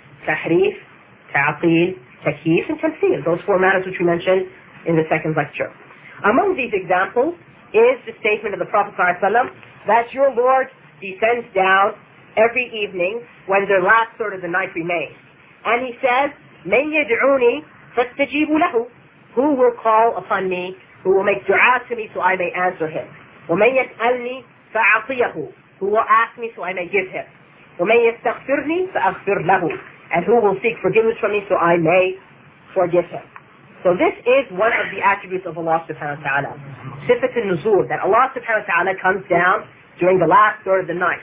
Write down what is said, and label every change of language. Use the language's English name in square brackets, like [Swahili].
[English] Tahrif, ta'qeel, takyif, and tamthil. Those four matters which we mentioned in the second lecture. Among these examples is the statement of the Prophet sallallahu alaihi wasallam that your Lord descends down every evening when the last third of the night remains. And he says, [Arabic] مَنْ يَدْعُونِي فَاسْتَجِيبُ لَهُ. [English] Who will call upon me, who will make dua to me so I may answer him. [Arabic] وَمَنْ يَسْأَلْنِي فَأَعْطِيَهُ. [English] Who will ask me so I may give him. [Arabic] وَمَنْ يَسْتَغْفِرْنِي فَأَغْفِرْ لَهُ. [English] And who will seek forgiveness from me so I may forgive him. So this is one of the attributes of Allah subhanahu wa ta'ala. Sifat al-Nuzul, that Allah subhanahu wa ta'ala comes down during the last third of the night.